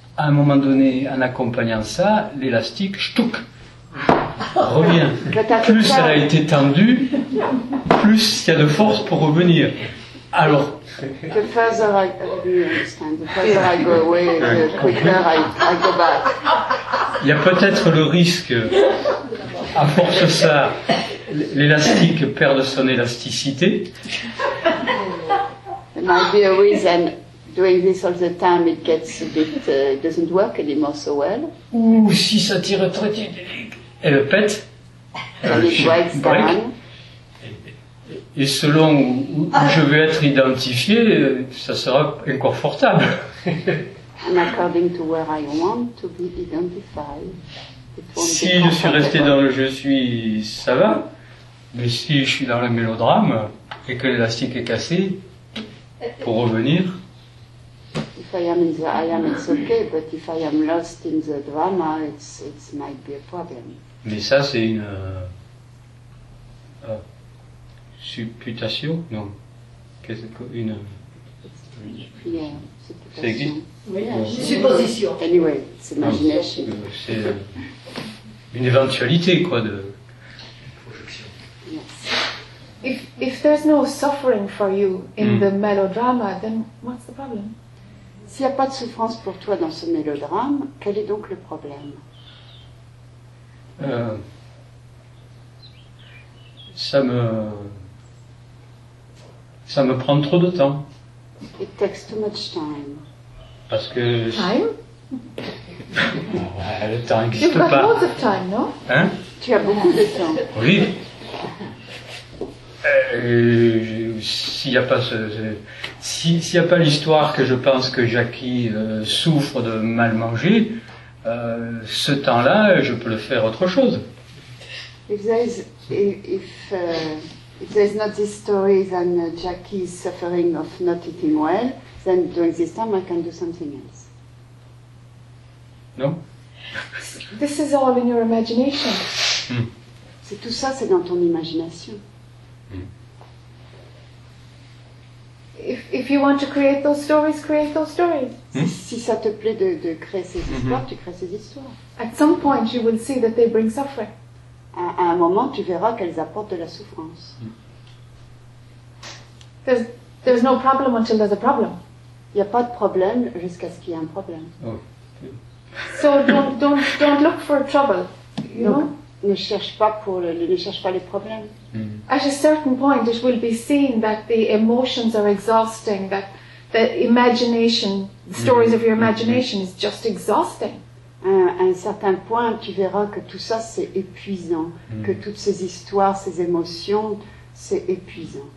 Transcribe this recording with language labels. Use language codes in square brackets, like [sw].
[fr] À un moment donné, en accompagnant ça, l'élastique, ch'touk, revient. Plus elle a été tendue, plus il y a de force pour revenir. Alors. [en] The further I go away, the quicker I go back. [fr] Il y a peut-être le risque, à force ça, l'élastique perd son élasticité. [en] There might be a reason. Doing this all the time, it gets a bit, it doesn't work anymore so well. [fr] Ouh, si ça tire très vite, elle pète. [en] And it breaks down. [fr] Et selon où je vais être identifié, ça sera inconfortable. [en] And according to where I want to be identified, it won't [fr] si be je suis resté dans le je suis, ça va. Mais si je suis dans le mélodrame et que l'élastique est cassé, pour revenir. [en] If I am in the I am, it's okay, but if I am lost in the drama, it might be a problem. [fr] Mais ça, c'est une supputation, non? Qu'est-ce que une? [en] Yeah, [fr] c'est existe? Oui, supposition. [en] Anyway, it's imagination. [fr] C'est une éventualité, quoi, de projection. Yes. [en] If there's no suffering for you in the melodrama, then what's the problem? [fr] S'il n'y a pas de souffrance pour toi dans ce mélodrame, quel est donc le problème? Ça me prend trop de temps. [en] It takes too much time. [fr] Parce que... [en] Time? [fr] Le temps n'existe pas. [en] You've got loads of time, non? [fr] Hein? Tu as beaucoup de temps. Oui. S'il n'y a pas s'il y a pas l'histoire que je pense que Jackie souffre de mal manger, ce temps-là, je peux le faire autre chose. [en] If there's not this story, then Jackie is suffering of not eating well, then during this time I can do something else. No? This is all in your imagination. [fr] C'est tout ça, c'est dans ton imagination. [en] If you want to create those stories, create those stories. [fr] Si ça te plaît de créer ces histoires, tu crées ces histoires. [en] At some point you will see that they bring suffering. [fr] À un moment, tu verras qu'elles apportent de la souffrance. [en] There's no problem until there's a problem. [fr] Il n'y a pas de problème jusqu'à ce qu'il y ait un problème. [en] Oh, okay. So don't look for trouble. [fr] Ne cherche pas les problèmes. [en] At a certain point, it will be seen that the emotions are exhausting, that the imagination, the stories of your imagination is just exhausting. [fr] À un certain point, tu verras que tout ça, c'est épuisant. Que toutes ces histoires, ces émotions, c'est épuisant.